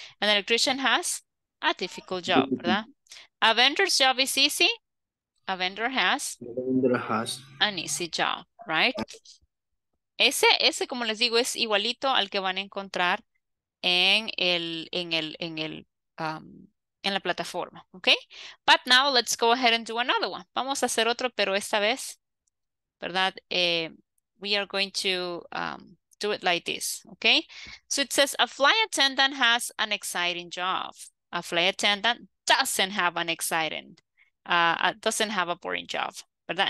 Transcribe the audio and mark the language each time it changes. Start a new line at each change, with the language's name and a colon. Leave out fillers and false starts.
English: An electrician has... A difficult job, ¿verdad? A vendor's job is easy. A vendor has... A vendor has... An easy job, right?
Spanish: Ese, como les digo, es igualito al que van a encontrar en la plataforma, ¿ok?
English: But now let's go ahead and do another one.
Spanish: Vamos a hacer otro, pero esta vez, ¿verdad?
English: We are going to do it like this, ¿ok? So it says, a flight attendant has an exciting job. A flight attendant doesn't have an exciting, doesn't have a boring job, ¿verdad?